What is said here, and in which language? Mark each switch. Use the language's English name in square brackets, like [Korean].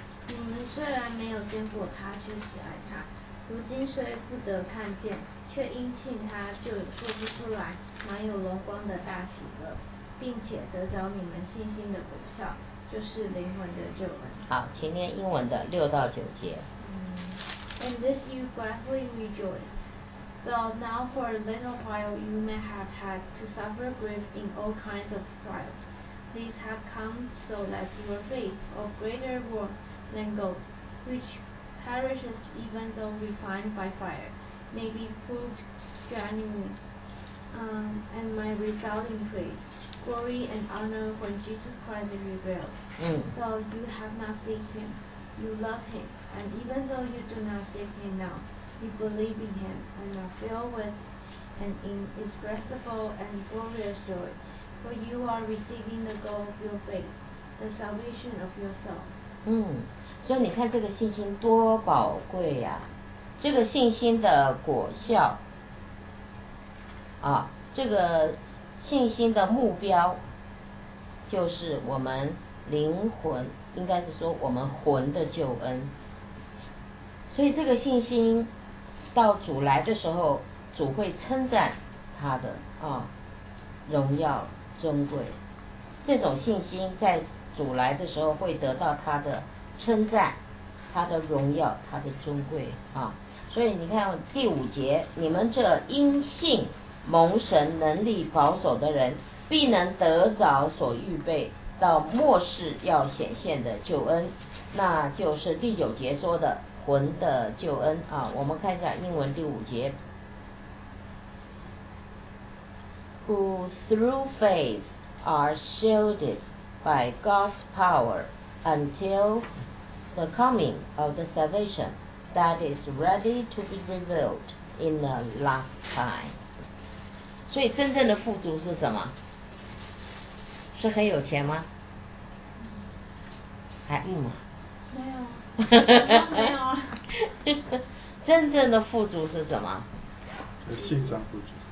[Chinese] 你们虽然没有见过他，却喜爱他，如今虽不得看见，却因信他就有说不出来满有荣光的大喜乐，并且得着你们信心的果效，就是灵魂的救恩。好，前面英文的六到九节。 [English] In this you greatly rejoice, though now for a little while you may have had to suffer grief in all kinds of trials. These have come so that your faith, of greater worth than gold, which perishes even though refined by fire, may be proved genuine, and may result in praise, glory, and honor when Jesus Christ is revealed. So you have not seen him, you love him. And even though you do not see him now, you believe in him and are filled with an inexpressible and glorious joy, for you are receiving the goal of your faith, the salvation of your souls. [Chinese] 所以你看这个信心多宝贵呀、啊！这个信心的果效啊，这个信心的目标就是我们灵魂，应该是说我们魂的救恩。所以这个信心到主来的时候，主会称赞他的啊、哦、荣耀尊贵。这种信心在主来的时候会得到他的称赞、他的荣耀、他的尊贵啊、哦。所以你看第五节，你们这因信蒙神能力保守的人，必能得着所预备到末世要显现的救恩，那就是第九节说的。魂的救恩啊，我们看一下英文第五节。 [English] Who through faith are shielded by God's power until the coming of the salvation that is ready to be revealed in the last time. [Chinese] 所以真正的富足是什么？是很有钱吗？还嗯吗？没有。没有啊。真正的富足是什么？信上富足。